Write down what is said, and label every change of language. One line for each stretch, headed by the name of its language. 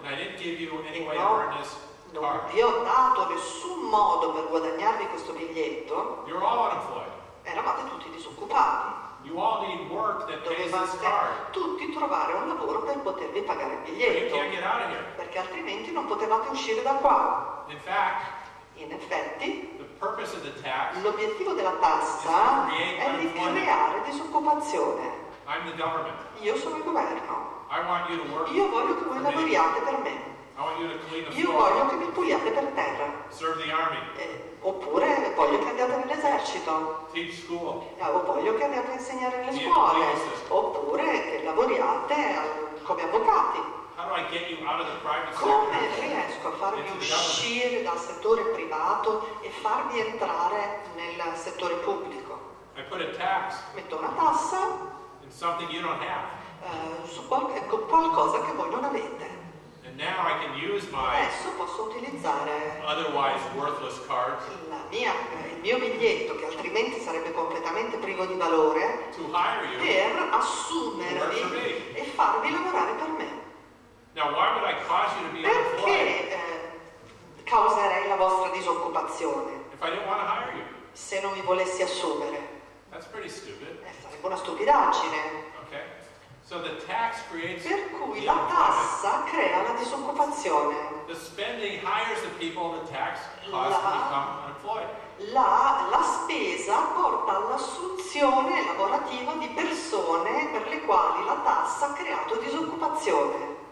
English: and I didn't give you any way to earn this card.
Italian: Non vi ho dato nessun modo per guadagnarvi questo biglietto,
English: you're all unemployed.
Italian: Eravate tutti disoccupati.
English: You all need work that pays this card.
Italian: Tutti trovare un lavoro per potervi pagare il biglietto.
English: You can't get out of here.
Italian: Perché altrimenti non potevate uscire da qua.
English: In fact,
Italian: in effetti,
English: the purpose of the tax
Italian: l'obiettivo della tassa è di creare disoccupazione.
English: I'm the government.
Italian: Io sono il governo.
English: I want you to work.
Italian: Io voglio che voi lavoriate per me.
English: I want you to clean the
Italian: io
English: floor.
Italian: Voglio che mi puliate per terra.
English: Serve the army.
Italian: Oppure voglio che andiate nell'esercito.
English: Teach school.
Italian: O voglio che andiate a insegnare nelle scuole. Oppure che lavoriate come avvocati.
English: How do I get you out of the private
Italian: come
English: sector?
Italian: Riesco a farvi uscire dal settore privato e farvi entrare nel settore pubblico.
English: I put a tax.
Italian: Metto una tassa.
English: And something you don't have.
Italian: Qualcosa che voi non avete.
English: And now I can use my
Italian: adesso posso utilizzare
English: otherwise worthless card
Italian: il mio biglietto che altrimenti sarebbe completamente privo di valore
English: to hire you
Italian: per assumervi e farvi lavorare per me.
English: Now why would I cause you to be
Italian: perché causerei la vostra disoccupazione
English: if I didn't want to hire you?
Italian: Se non vi volessi assumere.
English: That's pretty stupid.
Italian: Sarebbe una stupidaggine.
English: So the tax creates
Italian: per cui la tassa crea la disoccupazione.
English: The spending hires the people the tax costs to become unemployed.
Italian: La spesa porta all'assunzione lavorativa di persone per le quali la tassa ha creato disoccupazione.